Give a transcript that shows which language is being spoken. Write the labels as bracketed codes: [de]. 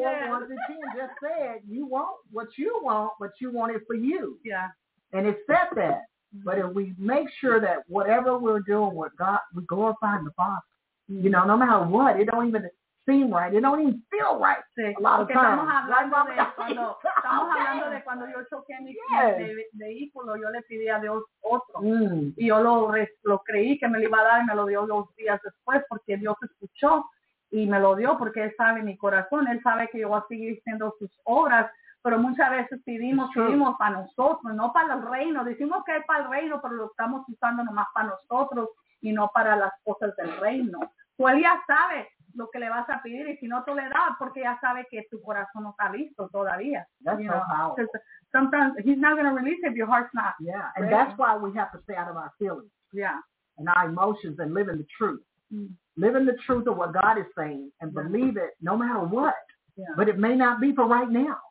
[en] yes. 1 through 10 just said, you want what you want, but you want it for you. Yeah. And it said that. But if we make sure that whatever we're doing, what God, we glorify the Father. Mm-hmm. You know, no matter what, it don't even seem right. It don't even feel right. [es] Sí. [en] A lot of okay, times. [es] Estamos hablando de cuando yo choqué mi vehículo, yo le pedí a Dios otro. Y yo lo creí que me lo iba a dar y me lo dio 2 días después porque Dios escuchó y me lo dio porque él sabe mi corazón. Él sabe que yo voy a seguir haciendo sus obras. Pero muchas veces pedimos para nosotros, no para el reino. Decimos que es para el reino, pero lo estamos usando nomás para nosotros y no para las cosas del reino. Tú ya sabes lo que le vas a pedir, y si no te le da, porque ya sabe que tu corazón no está listo todavía. [en] That's so powerful. Sometimes he's not going to release it if your heart's not. Yeah, and that's why we have to stay out of our feelings. Yeah. And our emotions, and live in the truth. Mm. Live in the truth of what God is saying and believe it no matter what. Yeah. But it may not be for right now.